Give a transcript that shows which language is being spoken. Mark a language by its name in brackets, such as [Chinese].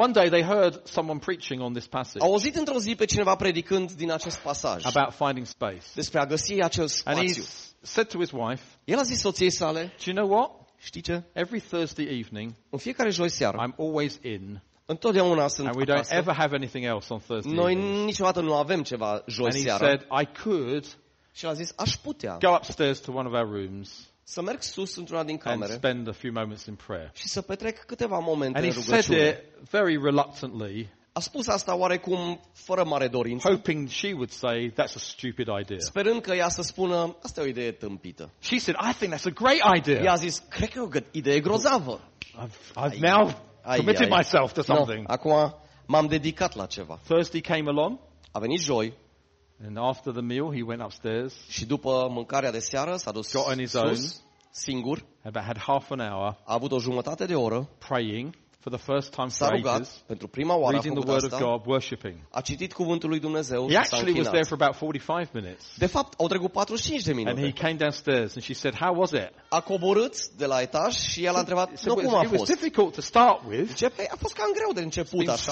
[English] One day they heard someone preaching on this passage. [Romanian] Au auzit într-o zi pe cineva predicând din acest pasaj. [English] About finding space. [Romanian] Despre a găsi acel spațiu. [English] And he said to his wife, [Romanian] el a zis soției sale, [English] do you know what? [Romanian] Știi ce? [English] Every Thursday evening, [Romanian] în fiecare joi seară, [English] I'm always in. [Romanian] Întotdeauna sunt acasă. [English] And we don't ever have anything else on Thursday. [Romanian] Noi niciodată nu avem ceva joi seară. [English] And he said, I could. [Romanian] Și el a zis, aș putea. [English] Go upstairs to one of our rooms. [Romanian] Să merg sus într-una din camere. [English] And spend a few moments in prayer. [Romanian] Și să petrec câteva momente în rugăciune. [English] And he said it very reluctantly. [Romanian] A spus asta oarecum fără mare dorință. [English] Hoping she would say that's a stupid idea. [Romanian] Sperând că ea să spună asta e o idee tâmpită. [English] She said I think that's a great idea. [Romanian] Ea a zis cred că e o idee grozavă. [English] I've now committed myself to something. [Romanian] No, acum m-am dedicat la ceva. [English] Thursday came along. [Romanian] A venit joi. [English] And after the meal, he went upstairs. [Romanian] Și după mâncarea de seară, s-a dus [English] got on his [Romanian] sus, [English] own, [Romanian] singur. [English] About had half an hour. [Romanian] A avut o jumătate de oră. [English] Praying for the first time. [Romanian] S-a rugat pentru prima oară. [English] Reading the word [Romanian] asta, [English] of God, worshiping. [Romanian] A citit cuvântul lui Dumnezeu. [English] He actually was there for about 45 minutes. [Romanian] De fapt, au trecut 45 de minute. [English] And he came downstairs and she said, "How was it?" [Romanian] A coborât de la etaj și el a întrebat, "Nu cum a fost?" [English] It was difficult to start with. [Romanian] A fost cam greu de început așa.